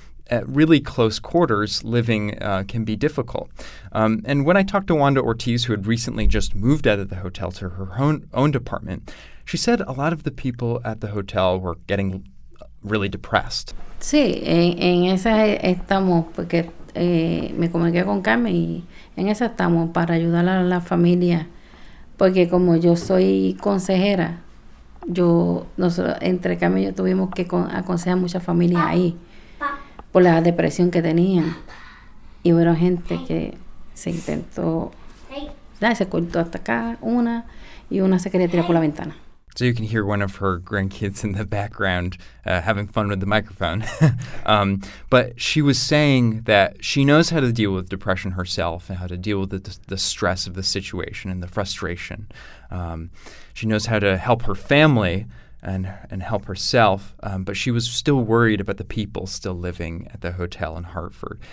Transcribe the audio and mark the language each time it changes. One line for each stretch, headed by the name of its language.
English: At really close quarters, living can be difficult. And when I talked to Wanda Ortiz, who had recently just moved out of the hotel to her own apartment, she said a lot of the people at the hotel were getting really depressed.
Spanish: Sí, en esa estamos porque me comuniqué con Carmen y en esa estamos para ayudar a la familia porque como yo soy consejera. Yo, nosotros, entre Carmen y yo tuvimos que aconsejar a mucha familia ahí por la depresión que tenían. Y hubo gente que se intentó, se cortó hasta acá una y una se quería tirar por la ventana.
English: So you can hear one of her grandkids in the background having fun with the microphone. but she was saying that she knows how to deal with depression herself and how to deal with the stress of the situation and the frustration. She knows how to help her family and help herself, but she was still worried about the people still living at the hotel in Hartford.